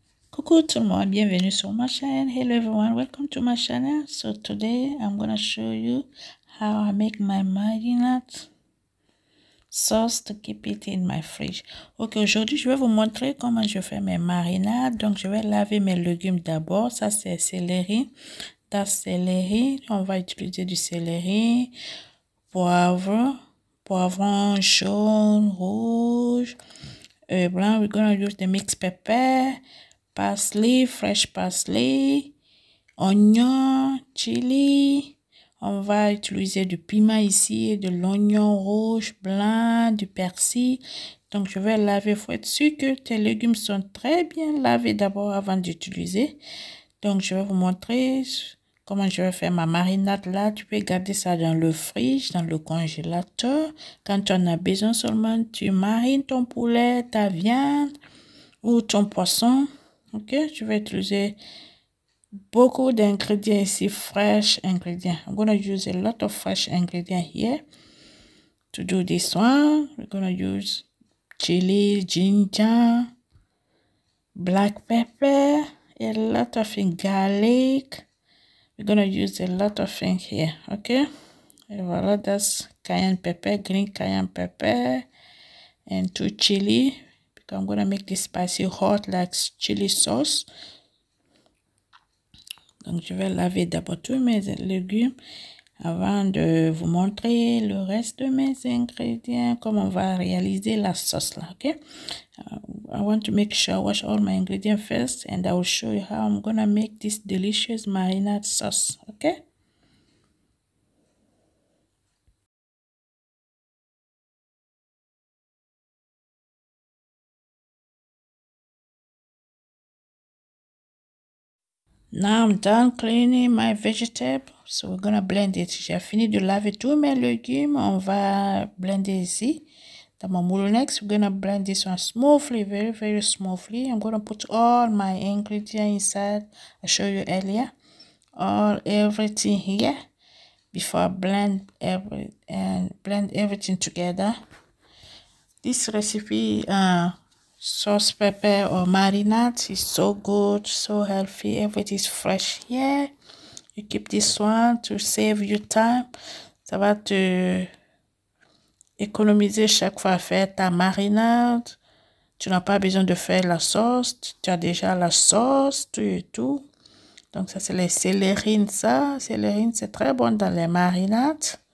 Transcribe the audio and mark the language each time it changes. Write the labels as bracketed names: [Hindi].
[French] Coucou tout le monde, bienvenue sur ma chaîne. [English] Hello everyone, welcome to my channel. So today I'm gonna show you how I make my marinade sauce to keep it in my fridge. [French] Ok, aujourd'hui je vais vous montrer comment je fais mes marinades. Donc je vais laver mes légumes d'abord. Ça c'est céleri, tasse-céleri. On va utiliser du céleri, poivre, poivron jaune, rouge, blanc. [English] We're gonna use the mixed pepper. Parsley, fresh parsley, [French] oignon, chili, on va utiliser du piment ici, de l'oignon rouge, blanc, du persil. Donc je vais laver, il faut être sûr que tes légumes sont très bien lavés d'abord avant d'utiliser. Donc je vais vous montrer comment je vais faire ma marinade là. Tu peux garder ça dans le fridge, dans le congélateur. Quand tu en as besoin seulement, tu marines ton poulet, ta viande ou ton poisson. Ok, je vais utiliser beaucoup d'ingrédients ici, [English] fresh ingredients. I'm going to use a lot of fresh ingredients here to do this one. We're going to use chili, ginger, black pepper, a lot of garlic. We're going to use a lot of things here, ok? [French] Et voilà, [English] that's cayenne pepper, green cayenne pepper, and two chili. I'm gonna make this spicy hot like chili sauce. [French] Donc je vais laver d'abord tous mes légumes avant de vous montrer le reste de mes ingrédients, comment on va réaliser la sauce là, ok? [English] I want to make sure I wash all my ingredients first and I will show you how I'm gonna make this delicious marinade sauce, ok? Now I'm done cleaning my vegetables, so we're gonna blend it. [French] J'ai fini de laver tous mes légumes, on va blender ici. Dans mon moulin, [English] next, we're gonna blend this one smoothly, very, very smoothly. I'm gonna put all my ingredients inside. I showed you earlier. Everything here before I blend everything together. This recipe, sauce pepper or marinade is so good, so healthy. Everything is fresh here. You keep this one to save you time. [French] Ça va te économiser chaque fois à faire ta marinade. Tu n'as pas besoin de faire la sauce. Tu as déjà la sauce, tout et tout. Donc ça c'est les célérines, ça. Célérines, c'est très bon dans les marinades.